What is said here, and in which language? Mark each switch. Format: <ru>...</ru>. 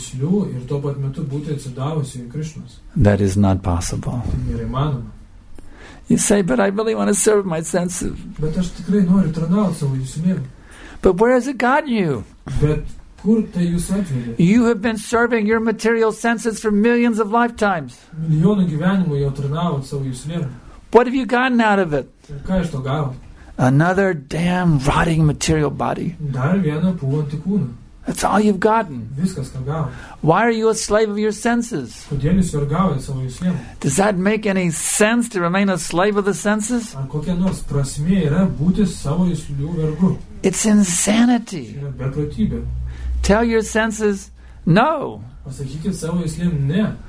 <en>That is not possible. You say, but I really want to serve my senses.</en> <lt>Bet aš tikrai noriu tarnauti savo jusmėm.</lt> <en>But where has it gotten you?</en> <lt>Bet kur tai jūs atvedė?</lt> <en>You have been serving your material senses for millions of lifetimes.</en> <lt>Milijonų gyvenimų jau tarnavot savo jusmėm.</lt> <en>What have you gotten out of it?</en> <lt>Ką iš to gavot?</lt> <en>Another damn rotting material body.</en> <lt>Dar vieną pūvantį kūną.</lt> <en>That's all you've gotten.</en> <lt>Viskas, ką gavo.</lt> <en>Why are you a slave of your senses?</en> <lt>Kodėl jūs vergaujate savo jusmėm?</lt> <en>Does that make any sense to remain a slave of the senses?</en> <lt>Ar kokia nors prasmė yra būti savo juslių vergu?</lt> <en>It's insanity.</en> <lt>Yra beprotybė.</lt> <en>Tell your senses no.</en> <lt>Pasakykit savo juslėm ne.</lt>